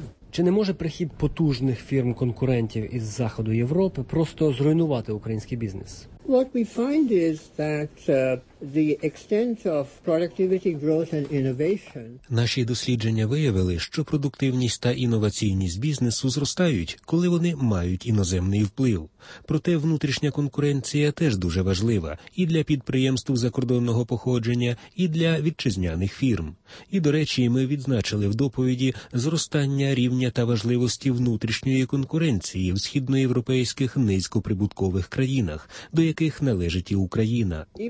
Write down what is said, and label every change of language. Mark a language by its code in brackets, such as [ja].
[uk] Чи не може прихід потужних фірм-конкурентів із Заходу Європи просто зруйнувати український бізнес? [en] What we find is that the extent of productivity growth and innovation. [uk] Наші дослідження виявили, що продуктивність та інноваційність бізнесу зростають, коли вони мають іноземний вплив. Проте внутрішня конкуренція теж дуже важлива і для підприємств закордонного походження, і для вітчизняних фірм. І, до речі, ми відзначили в доповіді зростання рівня та важливості внутрішньої конкуренції в східноєвропейських низькоприбуткових країнах, до яких належить і Україна.